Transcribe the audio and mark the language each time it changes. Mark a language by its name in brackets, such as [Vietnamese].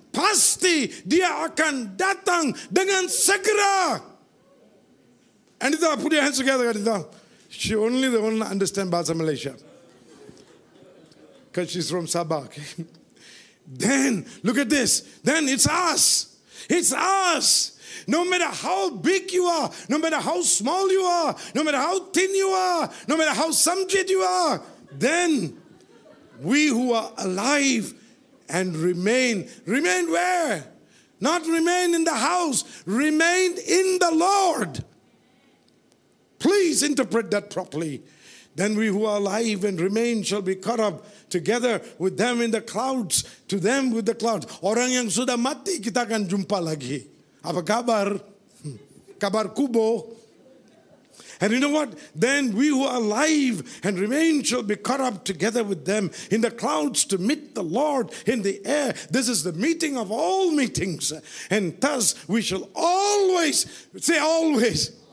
[Malay] Pasti dia akan datang dengan segera. [English] Anita, put your hands together, Anita. She only the one understand Bahasa Malaysia. Because she's from Sabah. Okay? Then, look at this. Then it's us. It's us. No matter how big you are, no matter how small you are, no matter how thin you are, no matter how samjit you are, then we who are alive and remain where? Not remain in the house, remain in the Lord. Please interpret that properly. Then we who are alive and remain shall be caught up together with them in the clouds, to them with the clouds. [Malay] Orang yang sudah mati kita akan jumpa lagi. Apa kabar? Kabar kubo. [English] And you know what? Then we who are alive and remain shall be caught up together with them in the clouds to meet the Lord in the air. This is the meeting of all meetings. And thus we shall always, say always.